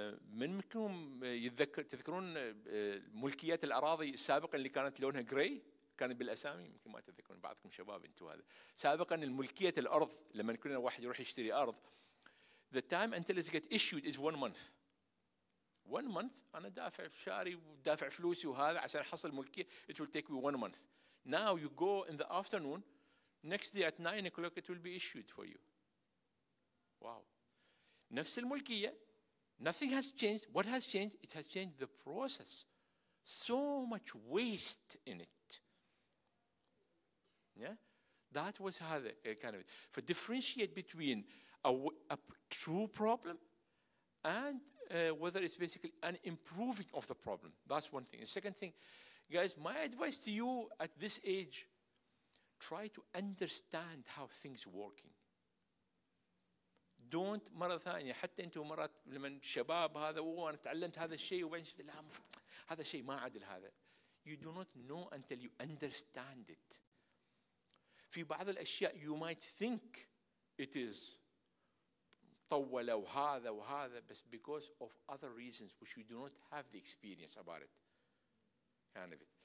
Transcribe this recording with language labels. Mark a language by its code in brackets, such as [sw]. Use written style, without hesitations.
[ar] من منكم يتذكر تذكرون ملكيات الأراضي سابقا اللي كانت لونها gray كانت بالأسامي, يمكن ما تذكرون بعضكم شباب أنتوا هذا. سابقا الملكية الأرض لما كنا واحد يروح يشتري أرض, [en] the time until it gets issued is 1 month. [ar] 1 month أنا دافع شاري ودافع فلوسي وهذا عشان أحصل ملكية, [en] it will take me 1 month. Now you go in the afternoon, next day at 9 o'clock it will be issued for you. Wow. [ar] نفس الملكية. [en] Nothing has changed. What has changed? It has changed the process. So much waste in it. Yeah? That was how the kind of it. For differentiate between a true problem and whether it's basically an improving of the problem. That's one thing. The second thing, guys, my advice to you at this age, try to understand how things are working. Don't [ar] مرة ثانية حتى أنتوا مرات لمن شباب هذا وأنا تعلمت هذا الشيء وبعدين شفت لا هذا شيء ما عادل هذا. [en] You do not know until you understand it. [ar] في بعض الأشياء [en] you might think it is [ar] طول وهذا وهذا, بس [en] because of other reasons which you do not have the experience about it. Kind of it.